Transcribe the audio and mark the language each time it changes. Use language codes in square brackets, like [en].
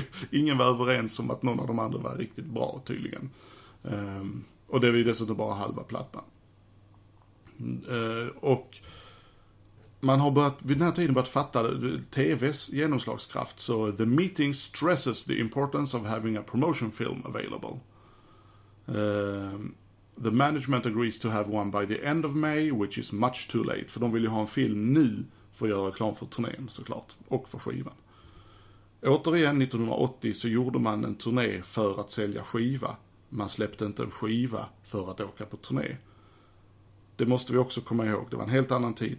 [sv] Ingen var överens om att någon av de andra var riktigt bra tydligen. Och det är ju dessutom bara halva plattan. Och man har börjat, vid den här tiden börjat fatta TVs genomslagskraft. [en] Så the meeting stresses the importance of having a promotion film available. The management agrees to have one by the end of May, which is much too late. [sv] För de vill ju ha en film nu för att göra reklam för turnén såklart. Och för skivan. Återigen 1980 så gjorde man en turné för att sälja skiva. Man släppte inte en skiva för att åka på turné. Det måste vi också komma ihåg. Det var en helt annan tid.